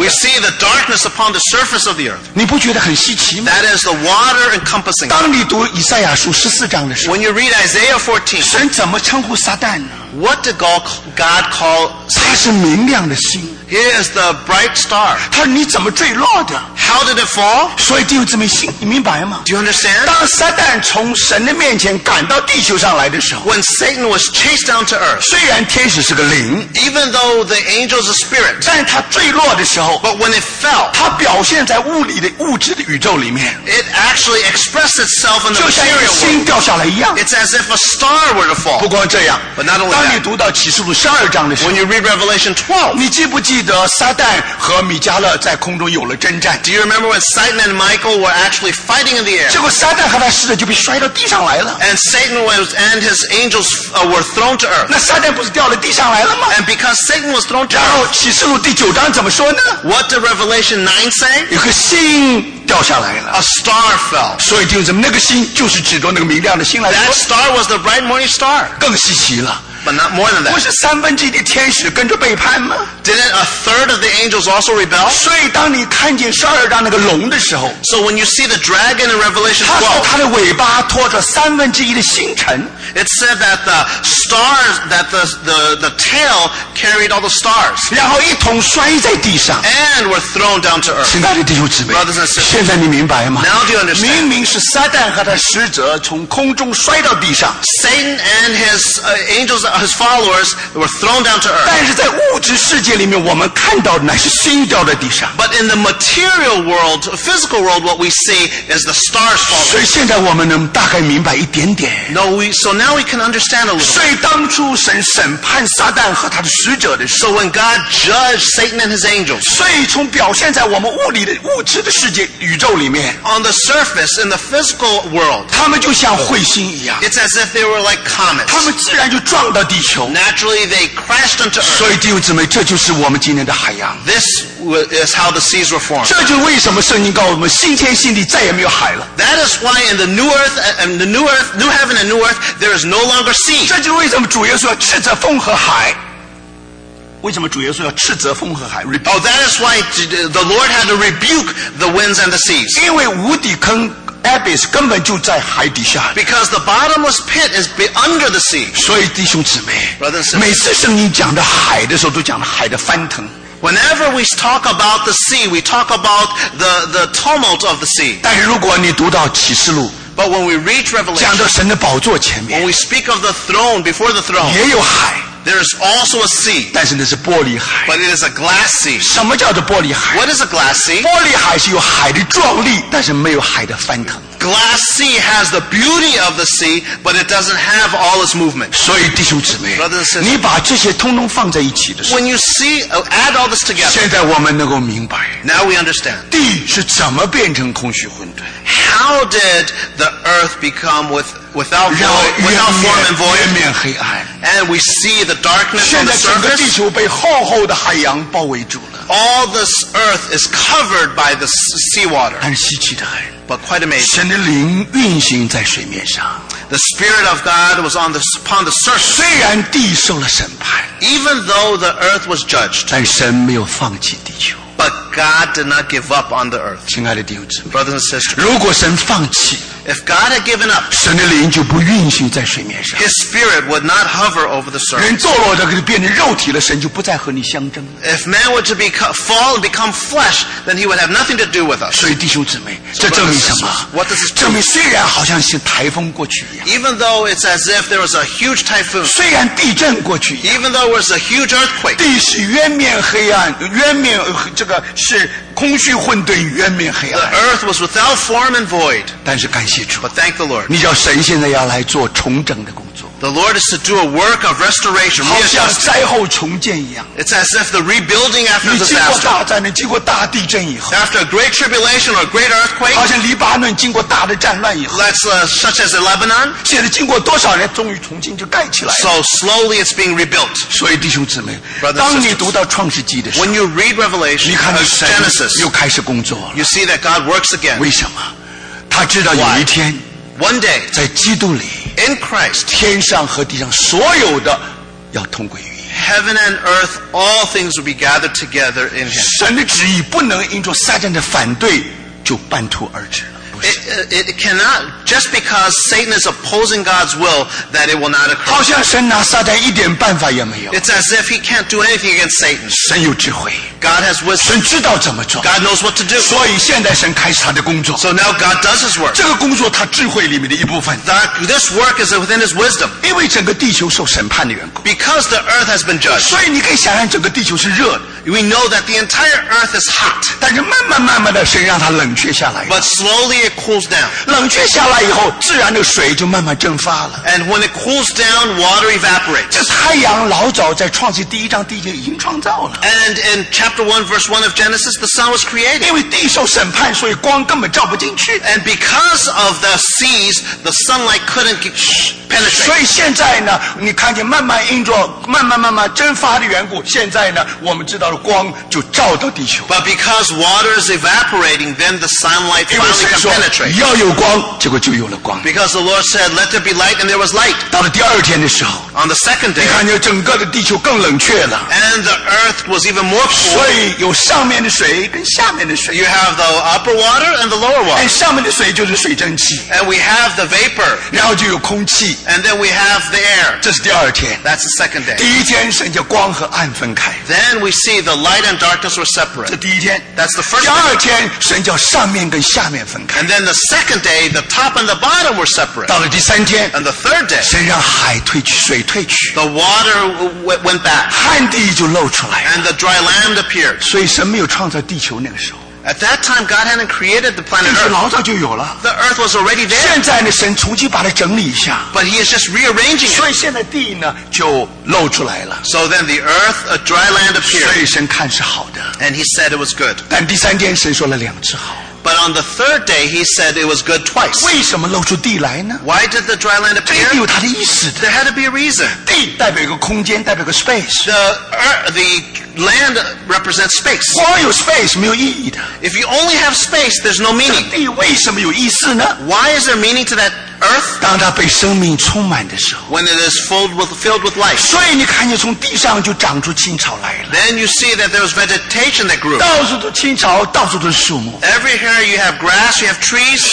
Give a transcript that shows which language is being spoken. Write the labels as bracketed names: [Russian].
[English] we see the darkness upon the surface of the earth. [Chinese] 你不觉得很稀奇吗? [English] That is the water encompassing. [Chinese] 当你读以赛亚书14章的时候, [English] when you read Isaiah 14, [Chinese] 神怎么称呼撒旦呢? [English] What did God call Satan? [Chinese] 他是明亮的星, [English] he is the bright star. [Chinese] 他说你怎么坠落的? [English] How did it fall? [Chinese] 所以弟兄姊妹心, 你明白吗? [English] Do you understand? [Chinese] 当撒旦从神的面前赶到地球上来的时候, [English] when Satan was chased down to earth, [Chinese] 虽然天使是个灵, [English] even though the angels are spirits, [Chinese] 但他坠落的时候, [English] but when it fell, [Chinese] 他表现在物质的宇宙里面, [English] it actually expressed itself in the material world. It's as if a star were to fall. [Chinese] 不光这样, [English] but not only [Chinese] 当你读到启示录12章的时候, [English] when you read Revelation 12, [Chinese] 你记不记得撒旦和米迦勒在空中有了征战? [English] Do you remember when Satan and Michael were actually fighting in the air? [Chinese] 结果撒旦和他使者就被摔到地上来了, [English] and Satan was, and his angels were thrown to earth. [Chinese] 那撒旦不是掉到地上来了吗? [English] And because Satan was thrown to earth, [Chinese] 然后启示录第9章怎么说呢? [English] What did Revelation 9 say? [Chinese] 有个星 [English] a star fell. [Chinese] 所以弟兄姊妹那个星就是指着那个明亮的星来说, [English] that star was the bright morning star. [Chinese] 更稀奇了, [English] but not more than that. [Chinese] 不是三分之一的天使跟着背叛吗? [English] Didn't a third of the angels also rebel? [Chinese] 所以当你看见十二章那个龙的时候, [English] so when you see the dragon in Revelation 12, [Chinese] 他说他的尾巴拖着三分之一的星辰, [English] it said that the stars, that the tail carried all the stars, [Chinese] 然后一同摔在地上, [English] and were thrown down to earth. [Chinese] 亲爱的弟兄姊妹, [English] brothers and sisters, [Chinese] 现在你明白吗? [English] Now do you understand? [Chinese] 明明是撒旦和他使者从空中摔到地上, [English] Satan and his angels his followers were thrown down to earth. [Chinese] 但是在物质世界里面，我们看到的乃是星掉在地上。 [English] But in the material world, physical world, what we see is the stars falling. [Chinese] 所以现在我们能大概明白一点点。 [English] So now we can understand a little. [Chinese] 所以当初神审判撒旦和他的使者的时候。 [English] So when God judged Satan and his angels. [Chinese] 所以从表现在我们物理的物质的世界宇宙里面。 [English] On the surface, in the physical world. [Chinese] 他们就像彗星一样。 [English] It's as if they were like comets. [Chinese] 他们自然就撞到地球。 [English] Naturally, they crashed into earth. [Chinese] 所以弟兄姊妹，这就是我们今天的海洋。 [English] This is how the seas were formed. [Chinese] 这就为什么圣经告诉我们，新天新地再也没有海了。 [English] That is why in the new earth, and the new earth, new heaven and new earth, there is no longer sea. [Chinese] 这就为什么主耶稣要斥责风和海。为什么主耶稣要斥责风和海 [English] ？Oh, that is why the Lord had to rebuke the winds and the seas. [Chinese] 因为无底坑 abyss 根本就在海底下。 [English] Because the bottomless pit is under the sea. [Chinese] 所以弟兄姊妹 [English] Brother and sister, [Chinese] 每次圣经讲到海的时候，都讲到海的翻腾。 [English] Whenever we talk about the sea, we talk about the tumult of the sea. [Chinese] 但是如果你读到启示录。 [English] But when we reach Revelation, [Chinese] 讲到神的宝座前面。 [English] When we speak of the throne before the throne, [Chinese] 也有海。 [English] There is also a sea. [Chinese] 但是那是玻璃海。 [English] But it is a glass sea. [Chinese] 什么叫做玻璃海？ [English] What is a glass sea? [Chinese] 玻璃海是有海的壮丽，但是没有海的翻腾。 [English] Glass sea has the beauty of the sea, but it doesn't have all its movement. [Chinese] 所以弟兄姊妹 [English] Brother and sister, [Chinese] 你把这些通通放在一起的时候 [English] When you see, add all this together. [Chinese] 现在我们能够明白 [English] Now we understand. [Chinese] 地是怎么变成空虚混沌 [English] How did the earth become without void, without form and void? [Chinese] 渊面黑暗 [English] And we see the darkness on the surface. [Chinese] 现在整个地球被厚厚的海洋包围住了 [English] All this earth is covered by the seawater. [Chinese] 但稀奇的很 [English] But quite amazing. [Chinese] 神的灵运行在水面上。 [English] The Spirit of God was upon the surface. [Chinese] 虽然地受了审判。 [English] Even though the earth was judged. [Chinese] 但神没有放弃地球。 [English] But God did not give up on the earth. [Chinese] 亲爱的弟兄姊妹。 [English] Brothers and sisters. [Chinese] 如果神放弃。 [English] If God had given up. [Chinese] 神的灵就不运行在水面上。 [English] His Spirit would not hover over the surface. [Chinese] 人堕落的变成肉体了，神就不再和你相争。 [English] If man were to fall and become flesh, then he would have nothing to do with us. [Chinese] 所以弟兄姊妹，这证明什么？ [English] What does this prove? [Chinese] 证明虽然好像是台风过去一样。 [English] Even though it's as if there was a huge typhoon. [Chinese] 虽然地震过去一样。 [English] Even though it was a huge earthquake. [Chinese] 地是渊面黑暗，渊面这个是。空虚混沌，渊面黑暗。 [English] The earth was without form and void. [Chinese] 但是感谢主。 [English] But thank the Lord. [Chinese] 你叫神现在要来做重整的工作。 [English] The Lord is to do a work of restoration. [Chinese] 好像灾后重建一样。 [English] It's as if the rebuilding after the disaster. [Chinese] 你经过大战，你经过大地震以后。 [English] After a great tribulation or a great earthquake. [Chinese] 好像黎巴嫩经过大的战乱以后。 [English] Let's such as Lebanon. [Chinese] 现在经过多少年，终于重新就盖起来了。 [English] So slowly it's being rebuilt. [Chinese] 所以弟兄姊妹， [English] Brothers, [Chinese] 当你读到创世纪的时候， [English] When you read Revelation, [Chinese] 你看到神。 [English] Genesis, [Chinese] 又开始工作了。 [English] You see that God works again. [Chinese] 为什么？他知道有一天 [English] One day, [Chinese] 在基督里 [English] in Christ, [Chinese] 天上和地上所有的要同归于一。 [English] Heaven and earth, all things will be gathered together in Him. [Chinese] 神的旨意不能因着撒旦的反对就半途而止了。 [English] It cannot just because Satan is opposing God's will that it will not occur. [Chinese] 好像神拿撒旦一点办法也没有。 [English] It's as if he can't do anything against Satan. [Chinese] 神有智慧。 [English] God has wisdom. [Chinese] 神知道怎么做。 [English] God knows what to do. [Chinese] 所以现在神开始他的工作。 [English] So now God does his work. [Chinese] 这个工作他智慧里面的一部分。 [English] This work is within his wisdom. [Chinese] 因为整个地球受审判的缘故。 [English] Because the earth has been judged. [Chinese] 所以你可以想象整个地球是热的。 [English] We know that the entire earth is hot. [Chinese] 但是慢慢慢慢的神让它冷却下来。 [English] But slowly it cools down. [Chinese] 冷却下来以后，自然的水就慢慢蒸发了。 [English] And when it cools down, water evaporates. [Chinese] 这太阳老早在创世第一章第一节已经创造了。 [English] And in chapter 1, verse 1 of Genesis, the sun was created. [Chinese] 因为地受审判，所以光根本照不进去。 [English] And because of the seas, the sunlight couldn't get penetrate. [Chinese] 所以现在呢，你看见慢慢因着慢慢慢慢蒸发的缘故，现在呢，我们知道。光就照到地球。 [English] But because water is evaporating, then the sunlight finally can penetrate. [Chinese] 要有光，结果就有了光。 [English] Because the Lord said, "Let there be light," and there was light. [Chinese] 到了第二天的时候 [English] ，On the second day, [Chinese] 你看见整个的地球更冷却了。 [English] And the earth was even more cool. [Chinese] 所以有上面的水跟下面的水。 [English] You have the upper water and the lower water. [Chinese] 哎，上面的水就是水蒸气。 [English] And we have the vapor. [Chinese] 然后就有空气。 [English] And then we have the air. [Chinese] 这是第二天。 [English] That's the second day. [Chinese] 第一天神叫光和暗分开。 [English] Then we see the light and darkness were separate. [Chinese] 这第一天。 [English] That's the first day. [Chinese] 第二天神叫上面跟下面分开。 [English] And then the second day, the top and the bottom were separate. [Chinese] 到了第三天。 [English] And the third day, [Chinese] 神让海退去，水退去。 [English] The water went back. [Chinese] 旱地就露出来了。 [English] And the dry land appeared. [Chinese] 所以神没有创造地球那个时候。 [English] At that time, God hadn't created the planet Earth. [Chinese] 地球老早就有了。 [English] The Earth was already there. [Chinese] 现在呢，神重新把它整理一下。 [English] But He is just rearranging it. [Chinese] 所以现在地呢，就露出来了。 [English] So then the Earth, a dry land appeared. [Chinese] 所以神看是好的。 [English] And He said it was good. [Chinese] 但第三天，神说了两次好。 [English] But on the third day, he said it was good twice. [Chinese] 为什么露出地来呢? [English] Why did the dry land appear? [Chinese] 这地有它的意思的。 [English] There had to be a reason. [Chinese] 地代表一个空间，代表一个 space. [English] The land represents space. [Chinese] 光有 space 没有意义的。 [English] If you only have space, there's no meaning. [Chinese] 这地为什么有意思呢? [English] Why is there meaning to that earth? [Chinese] 当它被生命充满的时候。 [English] When it is filled with life. [Chinese] 所以你看见从地上就长出青草来了。 [English] Then you see that there was vegetation that grew. [Chinese] 到处都青草，到处都是树木。 [English] Every hair. You have grass, you have trees.